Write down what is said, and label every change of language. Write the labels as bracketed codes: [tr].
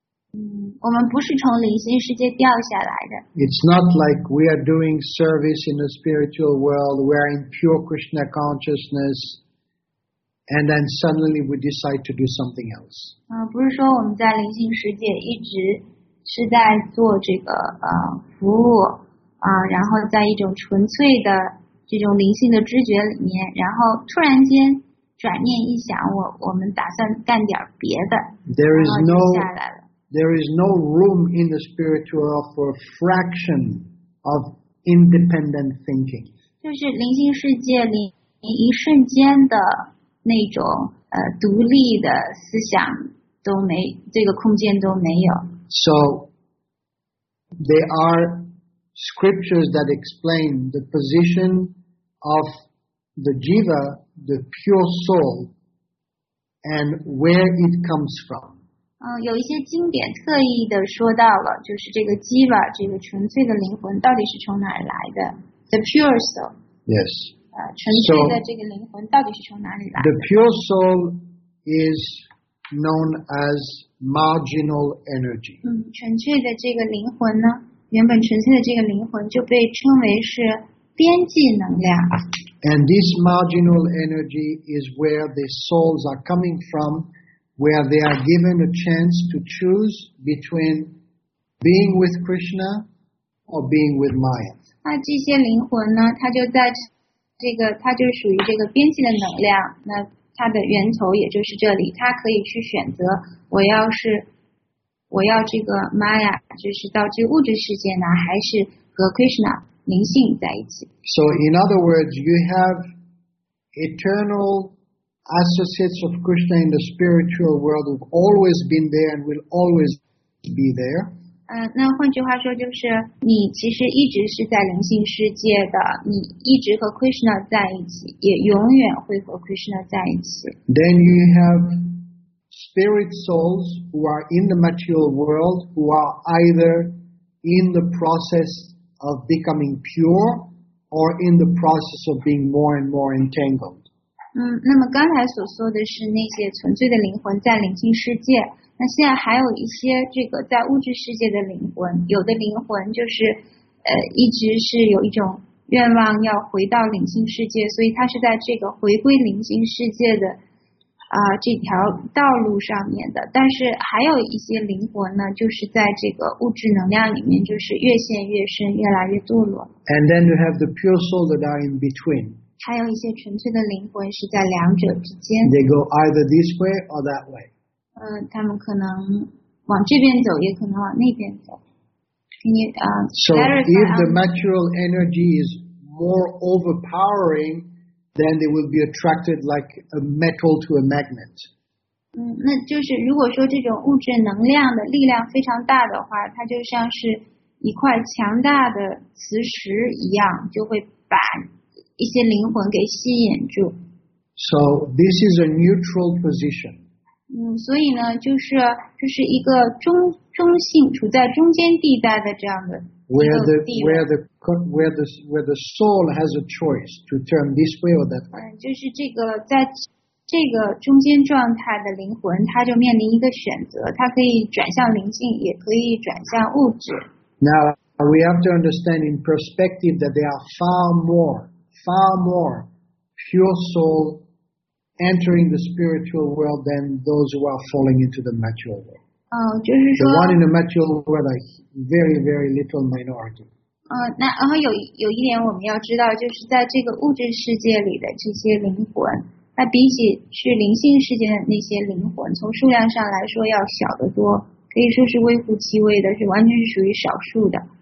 [zh] 我们不是从灵性世界掉下来的。 [en] It's not like we are doing service in the spiritual world, we are in pure Krishna consciousness, and then suddenly we decide to do something else. [zh] 不是说我们在灵性世界一直是在做这个服务然后在一种纯粹的这种灵性的知觉里面，然后突然间转念一想，我们打算干点别的， [en] There is no, [zh] 然后就下来了。 [en] There is no room in the spiritual world for a fraction of independent thinking. [zh] 就是灵性世界里一瞬间的那种独立的思想都没，这个空间都没有。 [en] So there are scriptures that explain the position of the jiva, the pure soul, and where it comes from. [zh] 有一些经典特意的说到了，就是这个 jiva, 这个纯粹的灵魂到底是从哪里来的。 [en] The pure soul. Yes. [zh] 纯粹的这个灵魂到底是从哪里来的。 [en] The pure soul is known as marginal energy. [zh] 纯粹的这个灵魂呢，原本纯粹的这个灵魂就被称为是边际能量。 [en] And this marginal energy is where the souls are coming from, where they are given a chance to choose between being with Krishna or being with Maya. [zh] 那这些灵魂呢，它就在这个，它就属于这个边际的能量。那它的源头也就是这里，它可以去选择，我要这个 Maya, 就是到这个物质世界呢，还是和 Krishna 灵性在一起。 [en] So in other words, you have eternal associates of Krishna in the spiritual world who've always been there and will always be there. [zh] 那换句话说就是你其实一直是在灵性世界的，你一直和 Krishna 在一起，也永远会和 Krishna 在一起。 [en] Then you have spirit souls who are in the material world who are either in the process of becoming pure or in the process of being more and more entangled. [zh] 那么刚才所说的是那些纯粹的灵魂在灵性世界，那现在还有一些这个在物质世界的灵魂，有的灵魂就是一直是有一种愿望要回到灵性世界，所以它是在这个回归灵性世界的这条道路上面的。但是还有一些灵魂呢，就是在这个物质能量里面就是越陷越深，越来越堕落。 [en] And then you have the pure soul that are in between. [zh] 还有一些纯粹的灵魂是在两者之间。 [en] They go either this way or that way. [zh] 他们可能往这边走，也可能往那边走。 [en] Can you, so if the material energy is more overpowering, then they will be attracted like a metal to a magnet. [zh] 那就是如果说这种物质能量的力量非常大的话，它就像是一块强大的磁石一样，就会把一些灵魂给吸引住。 [en] So this is a neutral position. [zh] 所以呢，就是一个中性，处在中间地带的这样的一个地位。 [en] Where the soul has a choice to turn this way or that way. [zh] 就是这个在这个中间状态的灵魂，它就面临一个选择，它可以转向灵性，也可以转向物质。 [en] Now we have to understand in perspective that there are far more pure soul entering the spiritual world than those who are falling into the material world. [zh] 就是说 [en] the one in the material world are very, very little minority. [zh] 那然后有一点我们要知道，就是在这个物质世界里的这些灵魂，那比起去灵性世界的那些灵魂，从数量上来说要小得多。可以说是微乎其微的，是完全是属于少数的。